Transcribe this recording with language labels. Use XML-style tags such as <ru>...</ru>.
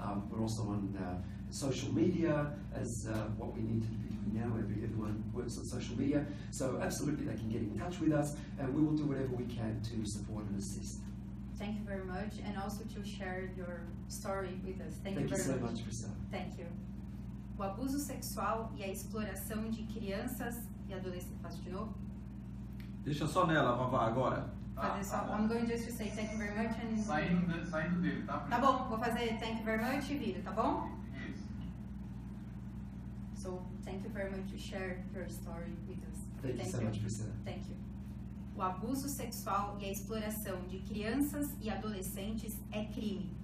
<en>We're also on social media, as what we need to be doing now. Everyone works on social media. So absolutely, they can get in touch with us, and we will do whatever we can to support and assist. Thank you very much, and also to share your story with us. Thank you so much, Priscilla. Thank you.</en> <pt>O abuso sexual e a exploração de crianças e adolescentes. Faz de novo? Deixa só nela, Vavá, agora.</pt> <en>I'm going just to say thank you very much. And...</en> <pt>Saindo dele, tá? Tá bom, vou fazer</pt> <en>thank you very much</en> <pt>e vira, tá bom?</pt> <en>Yes. So, thank you very much to share your story with us. Thank you so much, Priscilla. Thank you.</en> <pt>O abuso sexual e a exploração de crianças e adolescentes é crime.</pt>